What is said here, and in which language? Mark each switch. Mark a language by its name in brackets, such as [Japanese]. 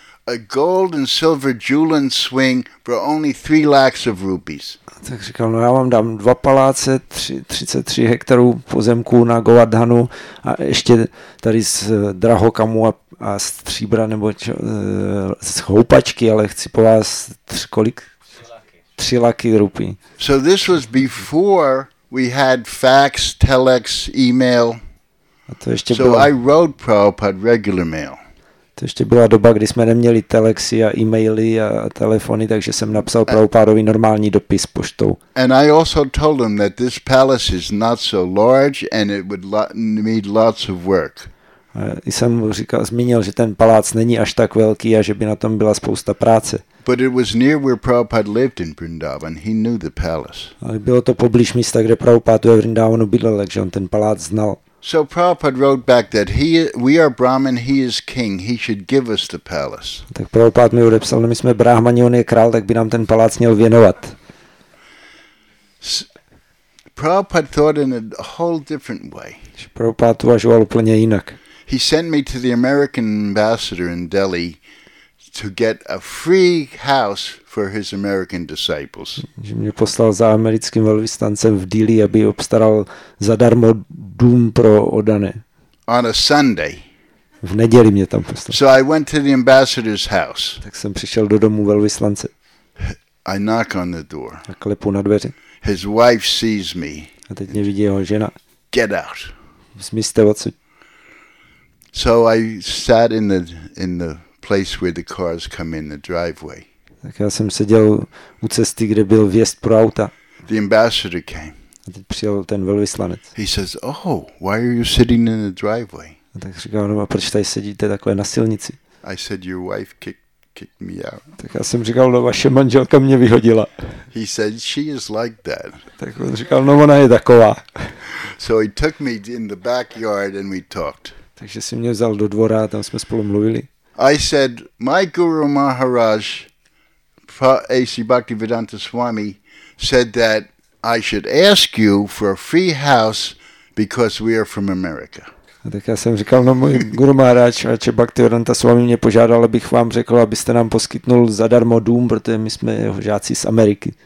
[English] a gold and silver jewel and swing for only 3 lakhs of rupees. [Czech] Tak říkal, no já vám dám 2 paláce, 33 hektarů pozemku na Govardhanu a ještě tady z drahokamu a stříbra nebo z houpačky, ale chci po vás kolik? 3 laky rupí. [English] So this was before we had fax, telex, email. [Czech] A to ještě [English] so I wrote Prabhupada regular mail. [Czech] To ještě byla doba, kdy jsme neměli telexy a e-maily a telefony, takže jsem napsal Prabhupádovi normální dopis poštou. [English] And I also told him that this palace is not so large and it would need lots of work. [Czech] A jsem říkal, zmínil, že ten palác není až tak velký a že by na tom byla spousta práce. [English] But it was near where Prabhupada lived in Vrindavan. He knew the palace. [Czech] Ale bylo to poblíž místa, kde Prabhupád ve Vrindavanu bydlel, takže on ten palác znal. [English] So Prabhupada wrote back that we are Brahmin, he is king, he should give us the palace. [Czech] Tak Prabhupada mi odepsal, my jsme Brahmani, on je král, tak by nám ten palác měl věnovat. [English] Prabhupada thought in a whole different way. [Czech] Prabhupada uvažoval úplně jinak. [English] He sent me to the American ambassador in Delhi to get a free house for his American disciples. [Czech] Že mě poslal za americkým velvyslancem v Delhi, aby obstaral zadarmo dům pro oddané. [English] On a Sunday. [Czech] V neděli mě tam poslal. [English] So I went to the ambassador's house. [Czech] Tak jsem přišel do domu velvyslance. [English] I knock on the door. [Czech] A klepu na dveře. [English] His wife sees me. [Czech] A teď mě vidí jeho žena. [English] Get out. [Czech] Zmizte odsud. [English] So I sat in the place where the cars come in the driveway. [Czech] Tak já jsem seděl u cesty, kde byl vjezd pro auta. [English] The ambassador came. [Czech] A teď přijel ten velvyslanec. [English] He says, "Oh, why are you sitting in the driveway?" [Czech] A tak říkal, no, a proč tady sedíte takhle na silnici? [English] I said, "Your wife kicked me out." [Czech] Tak já jsem říkal, no, vaše manželka mě vyhodila. [English] He said, "She is like that." [Czech] Tak on říkal, no, ona je taková. [English] So he took me in the backyard and we talked. [Czech] Takže si mě vzal do dvora a tam jsme spolu mluvili. [English] I said, my Guru Maharaj, A.C. Bhaktivedanta Swami, said that I should ask you for a free house because we are from America. [Czech] A tak já jsem říkal, no, můj Guru Maharaj, A.C. Bhaktivedanta Swami mě požádal, abych vám řekl, abyste nám poskytnul zadarmo dům, protože my jsme žáci z Ameriky.